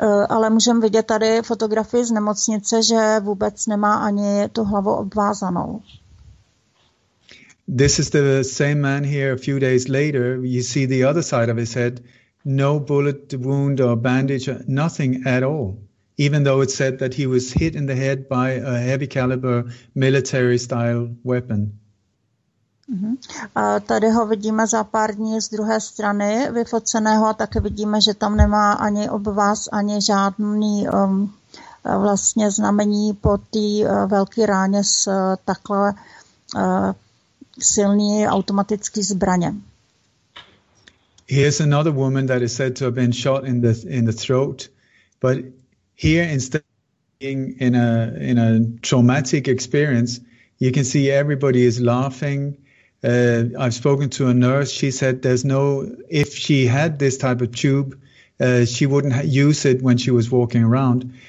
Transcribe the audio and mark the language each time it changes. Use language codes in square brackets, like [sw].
[cs] Ale můžeme vidět tady fotografii z nemocnice, že vůbec nemá ani tu hlavu obvázanou. [en] This is the same man here a few days later. You see the other side of his head. No bullet wound or bandage, nothing at all. Even though it said that he was hit in the head by a heavy caliber military style weapon. [cs] A tady ho vidíme za pár dní z druhé strany vyfoceného a také vidíme, že tam nemá ani obvaz, ani žádný vlastně znamení po té velké ráně s takhle silný automatický zbraně. [en] Here's another woman that is said to have been shot in the throat, but here instead being in a traumatic experience, you can see everybody is laughing. I've spoken to a nurse. She said there's no, if she had this type of tube, she wouldn't use it when she was walking around.